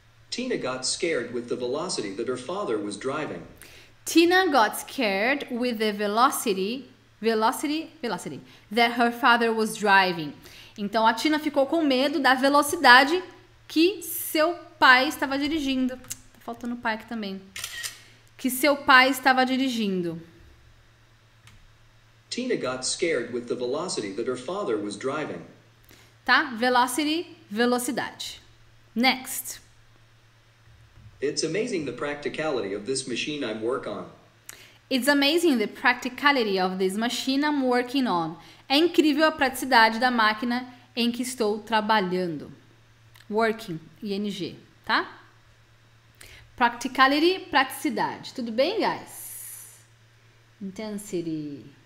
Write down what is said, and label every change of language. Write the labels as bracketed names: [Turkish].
[English] Tina got scared with the velocity that her father was driving. Tina got scared with the velocity that her father was driving. [Portuguese] Então a Tina ficou com medo da velocidade que seu pai estava dirigindo. Tá faltando o pai aqui também. Que seu pai estava dirigindo. [English] Tina got scared with the velocity that her father was driving. [Portuguese] Tá? Velocity, velocidade. Next. [English] It's amazing the practicality of this machine I'm working on. It's amazing the practicality of this machine I'm working on. [Portuguese] É incrível a praticidade da máquina em que estou trabalhando. Working, ing, tá? Practicality, praticidade. Tudo bem, guys? Intensity.